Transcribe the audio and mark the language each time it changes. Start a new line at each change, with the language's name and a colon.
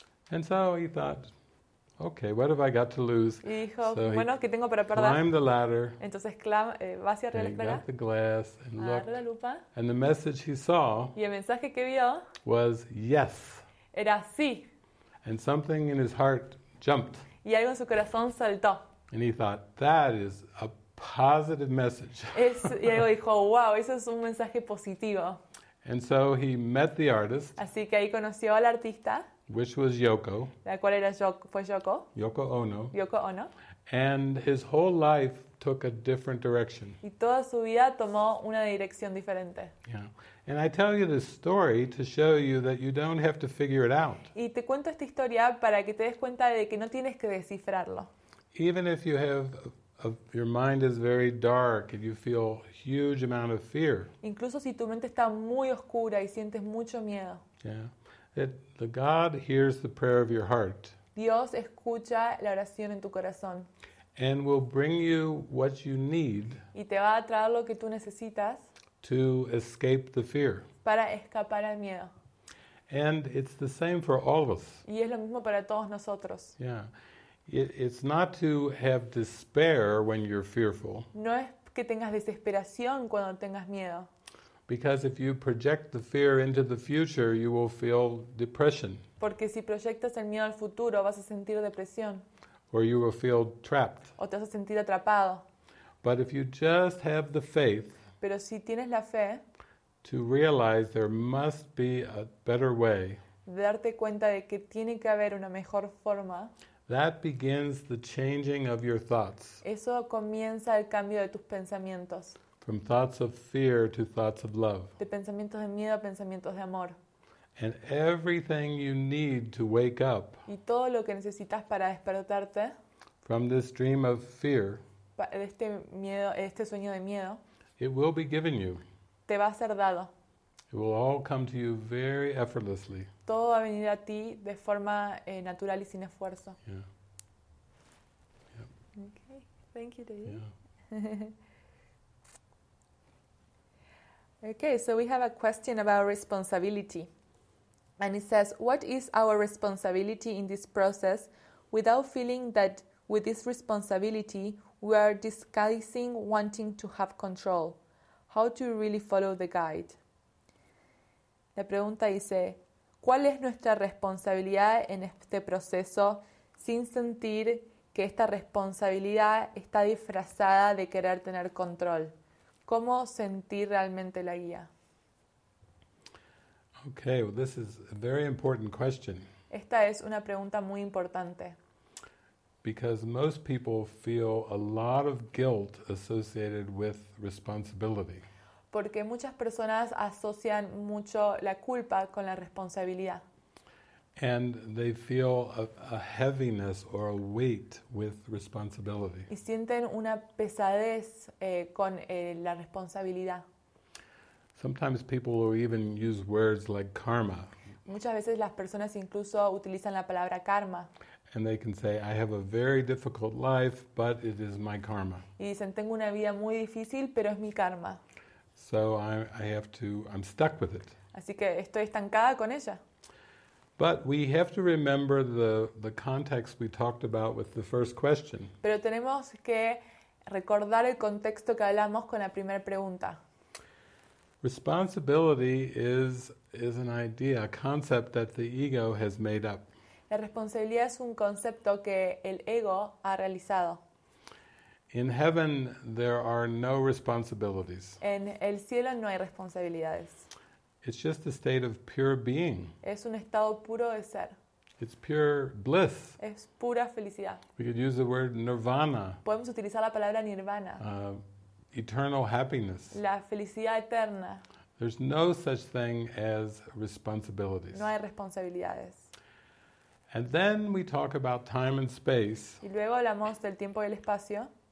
English: And so he thought, "Okay, what have I got to lose?"
Spanish: Y dijo, so bueno, ¿qué tengo para perder?
English: Climbed the ladder.
Spanish: Entonces va hacia arriba la escalera.
English: Got the glass and looked.
Spanish: Agarra la lupa.
English: And the message he saw.
Spanish: Y el mensaje que vio.
English: Was yes.
Spanish: Era sí.
English: And something in his heart jumped.
Spanish: Y algo en su corazón saltó.
English: And he thought, "That is a positive message."
Spanish: Y él dijo, "Wow, eso es un mensaje positivo."
English: And so he met the artist.
Spanish: Así que ahí conoció al artista.
English: Which was Yoko.
Spanish: La cual era fue Yoko.
English: Yoko Ono.
Spanish: Yoko Ono.
English: And his whole life took a different direction.
Spanish: Y toda su vida tomó una dirección diferente.
English: Yeah. And I tell you this story to show you that you don't have to figure it out.
Spanish: Y te cuento esta historia para que te des cuenta de que no tienes que descifrarlo.
English: Even if you have your mind is very dark and you feel a huge amount of fear.
Spanish: Incluso si tu mente está muy oscura y sientes mucho miedo.
English: Yeah. That the God hears the prayer of your heart.
Spanish: Dios escucha la oración en tu corazón.
English: And will bring you what you need.
Spanish: Y te va a traer lo que tú necesitas.
English: To escape the fear.
Spanish: Para escapar al miedo.
English: And it's the same for all of us.
Spanish: Y es lo mismo para todos nosotros.
English: Yeah. It's not to have despair when you're fearful.
Spanish: No es que tengas desesperación cuando tengas miedo.
English: Because if you project the fear into the future, you will feel depression.
Spanish: Porque si proyectas el miedo al futuro, vas a sentir depresión.
English: Or you will feel trapped.
Spanish: O te vas a sentir atrapado.
English: But if you just have the faith.
Spanish: Pero si tienes la fe.
English: To realize there must be a better way.
Spanish: De darte cuenta de que tiene que haber una mejor forma.
English: That begins the changing of your thoughts.
Spanish: Eso comienza el cambio de tus pensamientos.
English: From thoughts of fear to thoughts of love.
Spanish: De pensamientos de miedo a pensamientos de amor.
English: And everything you need to wake up.
Spanish: Y todo lo que necesitas para despertarte.
English: from this dream of fear,
Spanish: este miedo, este sueño de miedo,
English: it will be given you.
Spanish: Te va a ser dado.
English: It will all come to you very effortlessly.
Spanish: Todo va a venir a ti de forma natural y sin esfuerzo.
English: Yeah. Yeah. Okay. Thank you, David. Yeah. Okay, so we have a question about responsibility. And it says, what is our responsibility in this process without feeling that with this responsibility we are disguising wanting to have control? How to really follow the guide?
Spanish: La pregunta dice, ¿cuál es nuestra responsabilidad en este proceso sin sentir que esta responsabilidad está disfrazada de querer tener control? ¿Cómo sentir realmente la guía?
English: Okay, well, this is a very important question.
Spanish: Esta es una pregunta muy importante.
English: Because most people feel a lot of guilt associated with responsibility.
Spanish: Porque muchas personas asocian mucho la culpa con la responsabilidad.
English: And they feel a heaviness or a weight with responsibility.
Spanish: Y sienten una pesadez con la responsabilidad.
English: Sometimes people will even use words like karma.
Spanish: Muchas veces las personas incluso utilizan la palabra karma.
English: And they can say, I have a very difficult life, but it is my karma.
Spanish: Y dicen, tengo una vida muy difícil, pero es mi karma.
English: So I'm stuck with it.
Spanish: Así que estoy estancada con ella.
English: But we have to remember the context we talked about with the first question.
Spanish: Pero tenemos que recordar el contexto que hablamos con la primera pregunta.
English: Responsibility is an idea, a concept that the ego has made up.
Spanish: La responsabilidad es un concepto que el ego ha realizado.
English: In heaven there are no responsibilities.
Spanish: En el cielo no hay responsabilidades.
English: It's just a state of pure being.
Spanish: Es un estado puro de ser.
English: It's pure bliss.
Spanish: Es pura felicidad.
English: We could use the word nirvana.
Spanish: Podemos utilizar la palabra nirvana.
English: Eternal happiness.
Spanish: La felicidad eterna.
English: There's no such thing as responsibilities.
Spanish: No hay responsabilidades.
English: And then we talk about time and space.
Spanish: Y luego hablamos del tiempo y el espacio.